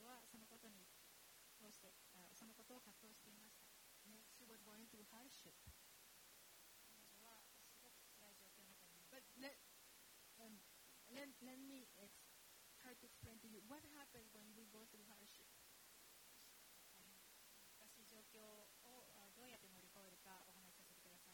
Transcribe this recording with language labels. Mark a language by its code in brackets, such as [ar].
[ja] そのことを葛藤していました。 [en] Yes, she was going through hardship. [ja] 彼女はすごく辛い状況の中にいます。 [en] But let me try to explain to you what happens when we go through hardship. [ja] 難しい状況をどうやって乗り越えるかお話しさせてください。